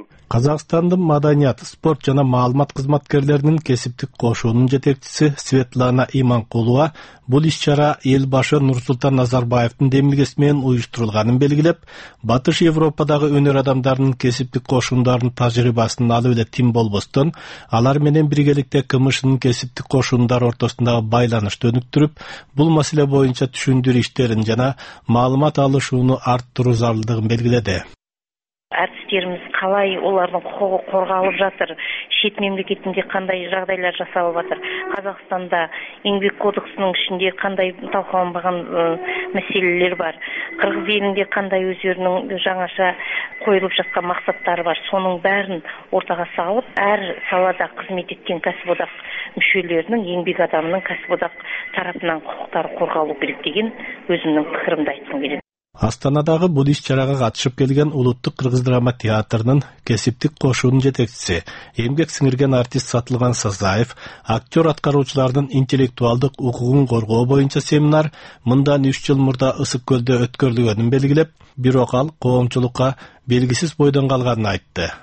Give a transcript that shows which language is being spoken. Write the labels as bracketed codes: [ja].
[ky] Казакстандын маданият, спорт жана маалымат кызматкерлеринин кесиптик кошуунун жетекчиси Светлана Иманкулова бул иш-чара эл башы Нурсултан Назарбаевдин демилгеси менен уюштурулганын белгилеп, Батыш Европадагы өнөр адамдарынын кесиптик кошуундарын тажрыйбасын алып эле тим болбостон, алар менен биргеликте КМШнын кесиптик кошуундар ортосундагы байланышты өнүктүрүп, бул маселе боюнча түшүндүрүү иштерин жана маалымат алышууну арттыруу зарылдыгын белгиледи. [kk] Әртістеріміз қалай олардың құқығы қорғалып жатыр, шет мемлекетінде қандай жағдайлар жасалып жатыр, Қазақстанда еңбек кодексінің ішінде қандай талқыланбаған мәселелер бар, қырғыз елінде қандай өздерінің жаңаша қойылып жатқан мақсаттары бар, соның бәрін ортаға салып, әр салада қызмет еткен кәсіподақ мүшелерінің, еңбек адамының кәсіподақ тарапынан құқықтары қорғалу керек деген өзімнің пікірімді айтқым келеді. [ky] Астанадагы бул иш-чарага катышып келген улуттук кыргыз драма театрынын кесиптик кошуунун жетекчиси, эмгек сиңирген артист Сатылган Сазаев, актер аткаруучулардын интеллектуалдык укугун коргоо боюнча семинар мындан 3 жыл мурда Ысык Көлдө өткөрүлгөнүн белгилеп, бирок ал коомчулукка белгисиз бойдон калганын айтты.